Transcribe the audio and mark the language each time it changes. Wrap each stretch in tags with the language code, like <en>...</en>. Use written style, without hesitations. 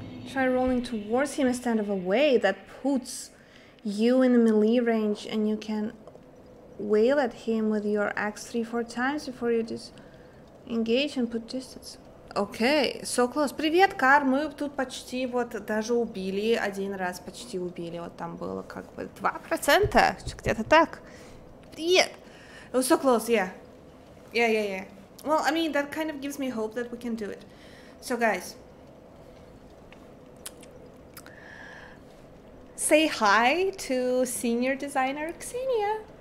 <en>Try rolling towards him instead of away. That puts you in the melee range and you can wail at him with your axe 3-4 times before you disengage and put distance. Okay, so close.</en> <ru>Привет, Кар, мы тут почти вот даже убили, один раз почти убили, вот там было как бы 2%, где-то так. Привет!</ru> <en>It was so close, yeah. Yeah. Well, I mean, that kind of gives me hope that we can do it. So, guys. Say hi to senior designer Xenia.</en>